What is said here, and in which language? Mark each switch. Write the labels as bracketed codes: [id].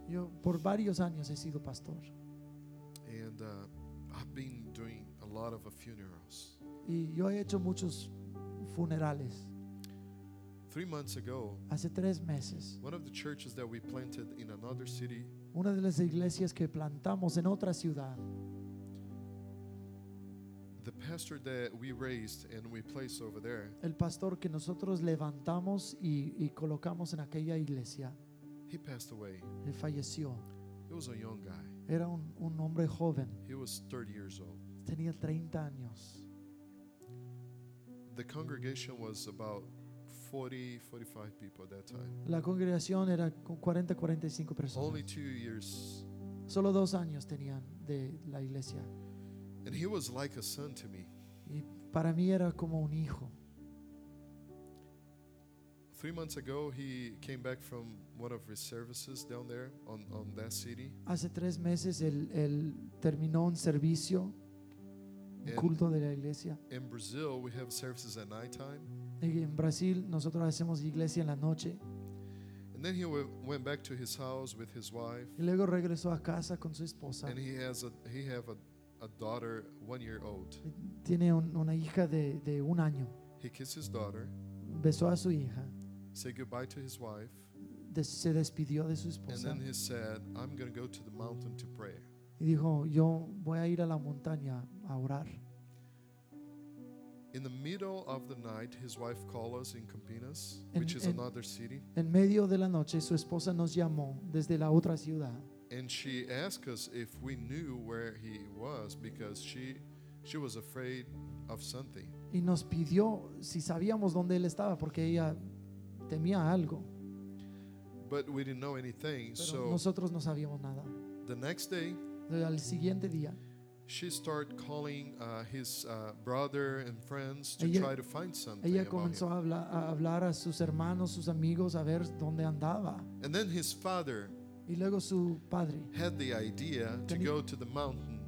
[es] Yo por varios años he sido pastor. [en] And I've been doing a lot of funerals. [es] Y yo he hecho muchos funerales. [en] 3 months ago, [es] hace 3 meses, [en] one of the churches that we planted in another city, [es] una de las iglesias que plantamos en otra ciudad, [en] the pastor that we raised and we placed over there, [es] el pastor que nosotros levantamos y colocamos en aquella iglesia, [en] he passed away. [es] Él falleció. [en] He was a young guy. [es] Era un hombre joven. [en] He was 30 years old. [es] Tenía 30 años. [en] The congregation was about 40, 45 people at that time. [es] La congregación era 40, 45 personas. [en] Only 2 years. [es] Solo 2 años tenían de la iglesia. [en] And he was like a son to me. [es] Y para mí era como un hijo. [en] 3 months ago, he came back from one of his services down there on that city. [es] Hace 3 meses, él terminó un servicio, un culto de la iglesia. [en] In Brazil, we have services at nighttime. [es] Y en Brasil, nosotros hacemos iglesia en la noche. [en] And then he went back to his house with his wife. [es] Y luego regresó a casa con su esposa. [en] And he has a daughter 1 year old. [es] Tiene una hija de un año. [en] He kissed his daughter. [es] Besó a su hija. [en] Said goodbye to his wife. [es] Se despidió de su esposa. [en] And then he said, "I'm going to go to the mountain to pray." [es] Y dijo, "Yo voy a ir a la montaña a orar." [en] In the middle of the night, his wife called us in Campinas, which is another city. [es] En medio de la noche, su esposa nos llamó desde la otra ciudad. [en] And she asked us if we knew where he was because she was afraid of something. [es] Y nos pidió si sabíamos dónde él estaba porque ella temía algo. [en] But we didn't know anything, so [es] nosotros no sabíamos nada. [en] The next day, [es] al siguiente día, [en] she started calling his brother and friends to ella, try to find something. [es] Ella comenzó [en] about [es] a hablar a sus hermanos, sus amigos, a ver dónde andaba. [en] And then his father [es] y luego su padre [en] had the idea to go to the mountain.